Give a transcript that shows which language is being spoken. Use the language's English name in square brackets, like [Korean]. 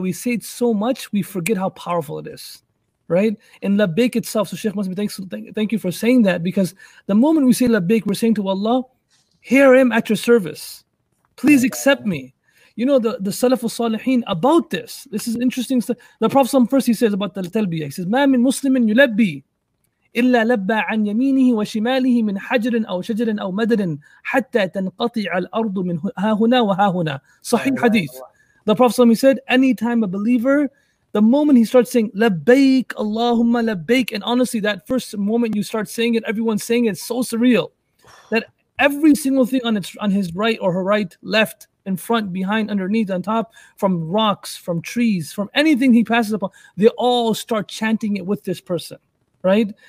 [English] We say it so much, we forget how powerful it is. Right? In labbaik itself. So Sheikh Muslim, thank you for saying that, because the moment we say labbaik, we're saying to Allah, here I am at your service. Please accept me. You know, the Salaf al-Salihin about this. This is interesting. The Prophet first he says about the talbiyah. [Arabic] He says, ما من مسلم يلبي إلا لبى عن يمينه وشماله من حجر أو شجر أو مدر حتى تنقطع الأرض من ها هنا وها هنا. [English] Sahih hadith. The Prophet he said, anytime a believer, the moment he starts saying labbaik, Allahumma labbaik, and honestly, that first moment you start saying it, everyone's saying it, it's so surreal that every single thing on his right or her right, left, in front, behind, underneath, on top, from rocks, from trees, from anything he passes upon, they all start chanting it with this person, right?